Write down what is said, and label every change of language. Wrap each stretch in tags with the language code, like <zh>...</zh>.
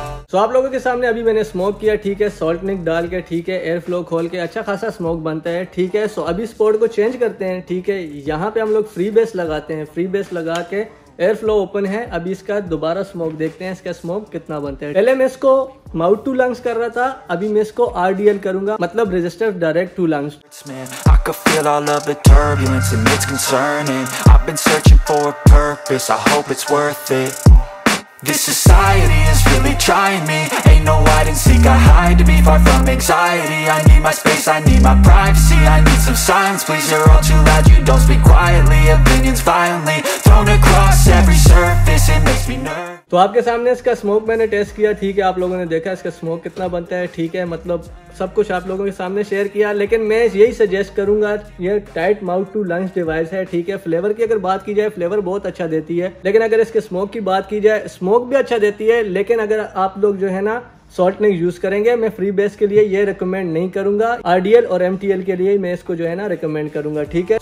<hi>सो आप लोगों के सामने अभी मैंने स्मोक किया, ठीक है, सॉल्ट निक डाल के, ठीक है, एयर फ्लो खोल के अच्छा खासा स्मोक बनता है, ठीक है। सो अभी स्पॉट को चेंज करते हैं, ठीक है। यहाँ पे हम लोग फ्री बेस लगाते हैं, फ्री बेस लगा के एयर फ्लो ओपन है। अभी इसका दोबारा स्मोक देखते हैं, इसका स्मोक कितना बनता है। पहले मैं इसको माउथ टू लंग्स कर रहा था, अभी मैं इसको RDL करूंगा, मतलब register direct to lungs.</hi> <en>I could feel all of the turbulence and it's concerning. I've been searching for a purpose, I hope it's worth it. This society is really trying me. Ain't no hide and seek, I hide to be far from anxiety. I need my space, I need my privacy. I need some silence, please, you're all too loud. You don't speak quietly, opinions violently thrown across every surface, it makes me nervous.</en> <hi>तो आपके सामने इसका smoke मैंने test किया, ठीक है, आप लोगों ने देखा इसका स्मोक कितना बनता है, ठीक है, मतलब सब कुछ आप लोगों के सामने शेयर किया। लेकिन मैं यही सजेस्ट करूंगा, ये tight mouth to lungs device है, ठीक है। फ्लेवर की अगर बात की जाए, फ्लेवर बहुत अच्छा देती है, लेकिन अगर इसके स्मोक की बात की जाए, स्मोक भी अच्छा देती है, लेकिन अगर आप लोग जो है ना सॉल्ट निक यूज करेंगे, मैं फ्री बेस के लिए ये रिकमेंड नहीं करूंगा, RDL और MTL के लिए मैं इसको जो है ना रिकमेंड करूंगा, ठीक है।</hi>